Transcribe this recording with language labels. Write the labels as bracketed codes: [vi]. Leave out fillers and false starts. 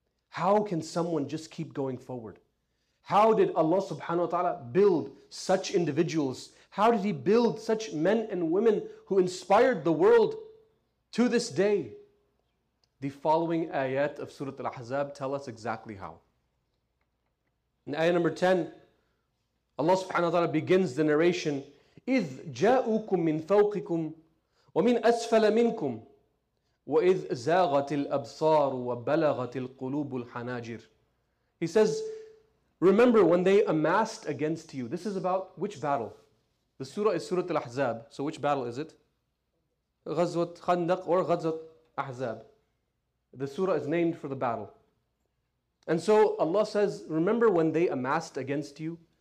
[en] How can someone just keep going forward? How did Allah subhanahu wa ta'ala build such individuals? How did He build such men and women who inspired the world to this day? The following ayat of Surah Al-Ahzab tell us exactly how. In ayah number 10, Allah subhanahu wa ta'ala begins the narration, [ar] إِذْ جَاءُكُمْ مِنْ فَوْقِكُمْ وَمِنْ أَسْفَلَ مِنْكُمْ وَإِذْ زَاغَتِ الْأَبْصَارُ وَبَلَغَتِ الْقُلُوبُ الْحَنَاجِرِ. [en] He says, remember when they amassed against you. This is about which battle? The surah is Surah Al-Ahzab. So which battle is it? Ghazwat Khandaq or Ghazwat Ahzab. The surah is named for the battle. And so Allah says, remember when they amassed against you?